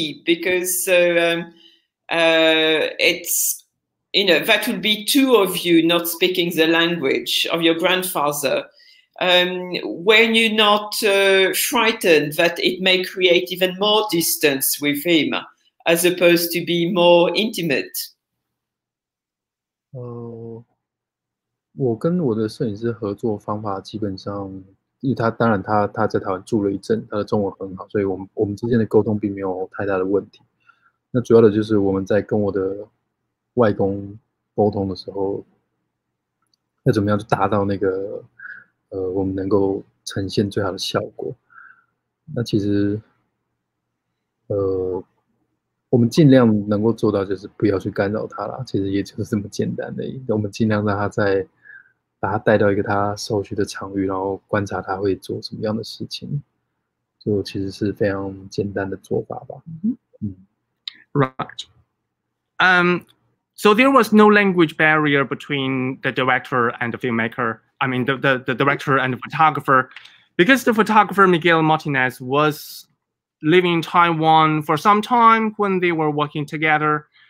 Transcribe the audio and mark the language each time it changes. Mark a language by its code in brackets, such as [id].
[en] Because it's, you know, that would be two of you not speaking the language of your grandfather. Were you not frightened that it may create even more distance with him as opposed to be more intimate? [zh] 我跟我的摄影师合作方法基本上，因为他当然他在台湾住了一阵，他的中文很好，所以我们之间的沟通并没有太大的问题。那主要的就是我们在跟我的外公沟通的时候，要怎么样就达到那个我们能够呈现最好的效果。那其实我们尽量能够做到就是不要去干扰他啦，其实也就是这么简单的，我们尽量让他在把他带到一个他熟悉的场域，然后观察他会做什么样的事情，就其实是非常简单的做法吧。 [en] Right. So there was no language barrier between the director and the filmmaker. I mean, the director and the photographer. Because the photographer, Miguel Martinez, was living in Taiwan for some time when they were working together.